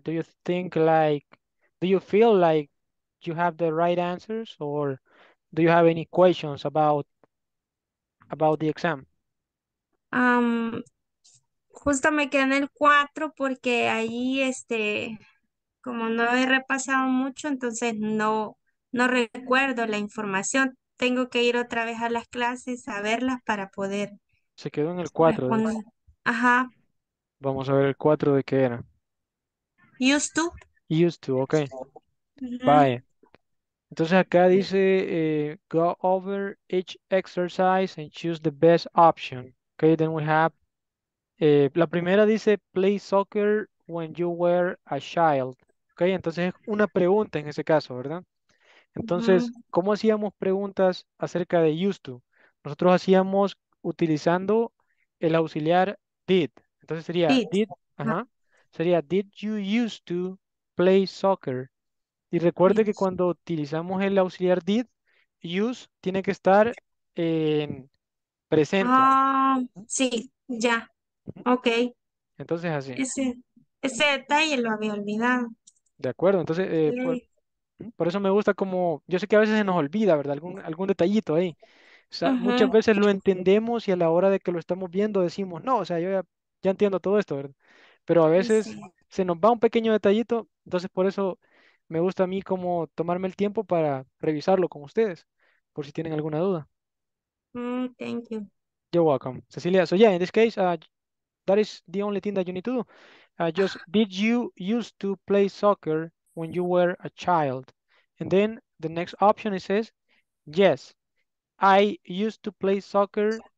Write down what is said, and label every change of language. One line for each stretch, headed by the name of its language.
English: Do you think like, do you feel like you have the right answers or do you have any questions about the exam?
Spanish: Justo me quedé en el 4 porque ahí, como no he repasado mucho, entonces no recuerdo la información. Tengo que ir otra vez a las clases a verlas para poder Se quedó en el 4, dice. responder. Ajá. Vamos a ver el 4 de qué era.
English: ¿Used Used to, ok. to?
Spanish: Vaya. Entonces acá dice,
English: go over each exercise and choose the best option. Ok, then we have,
Spanish: la primera dice,
English: play soccer when you were a child.
Spanish: Ok, entonces es una pregunta en ese caso, ¿verdad? Entonces, ¿cómo hacíamos preguntas acerca de used to? Nosotros hacíamos utilizando el auxiliar did. Entonces sería,
English: did you used to play soccer?
Spanish: Y recuerde que cuando utilizamos el auxiliar did, use tiene que estar en presente. Sí, ya. Okay. Entonces así. Ese detalle lo había olvidado. De acuerdo, entonces por eso me gusta como, yo sé que a veces se nos olvida, ¿verdad? Algún detallito ahí. O sea, muchas veces lo entendemos y a la hora de que lo estamos viendo decimos, no, o sea, yo ya entiendo todo esto, ¿verdad? Pero a veces se nos va un pequeño detallito, entonces por eso me gusta a mí como tomarme el tiempo para revisarlo con ustedes, por si tienen alguna duda.
English: Thank you. You're welcome, Cecilia. So yeah, in this case, that is the only thing that you need to do. Just, did you used to play soccer when you were a child? And then the next option it says, yes, I used to play soccer